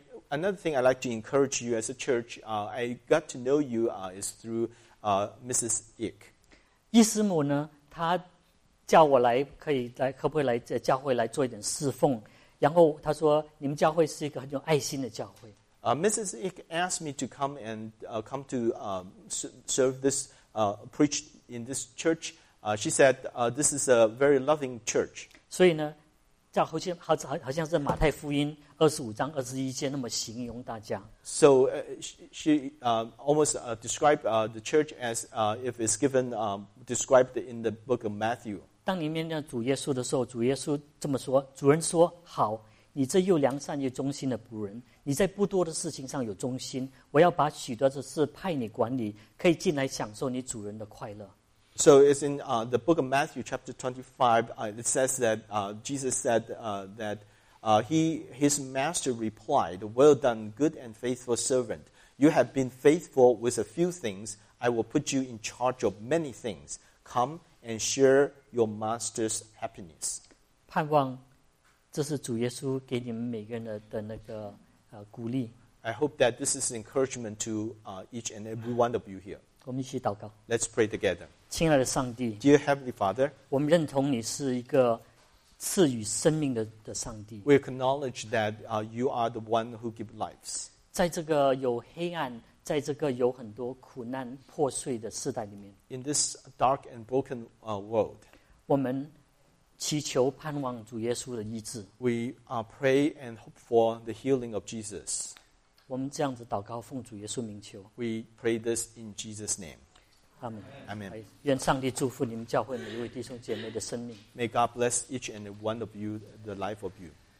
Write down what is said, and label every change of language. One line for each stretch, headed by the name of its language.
English: Another thing I'd like to encourage you as a church, I got to know you is through Mrs. Ik.
Chinese: 易师母呢，她叫我来，可以来，可不可以来在教会来做一点侍奉？然后她说，你们教会是一个很有爱心的教会。
English: Mrs. Ik asked me to come and come to serve this preach in this church. She said this is a very loving church.
Chinese: 所以呢，叫好像好好好像是马太福音二十五章二十一节那么形容大家。
English: So she almost described the church as if it's given described in the book of Matthew.
Chinese: 当你面对主耶稣的时候，主耶稣这么说：“主人说好，你这又良善又忠心的仆人，你在不多的事情上有忠心，我要把许多的事派你管理，可以进来享受你主人的快乐。”
English: So it's in the book of Matthew, chapter 25. It says that Jesus said that his master replied, "Well done, good and faithful servant. You have been faithful with a few things. I will put you in charge of many things. Come and share your master's happiness."
Chinese: 盼望这是主耶稣给你们每个人的那个鼓励。
English: I hope that this is encouragement to each and every one of you here.
Chinese: 我们一起祷告。
English: Let's pray together.
Chinese: 亲爱的上帝。
English: Dear Heavenly Father.
Chinese: 我们认同你是一个赐予生命 的上帝。
English: We acknowledge that you are the one who gives lives.
Chinese: 在这个有黑暗，在这个有很多苦难破碎的世代里面。
English: In this dark and broken world.
Chinese: 我们祈求盼望主耶稣的医治。
English: We pray and hope for the healing of Jesus.
Chinese: 我们这样子祷告奉主耶稣名求。
English: We pray this in Jesus' name. Amen.
Chinese: 愿上帝祝福你们教会每一位弟兄姐妹的生命。
English: May God bless each and one of you, the life of you.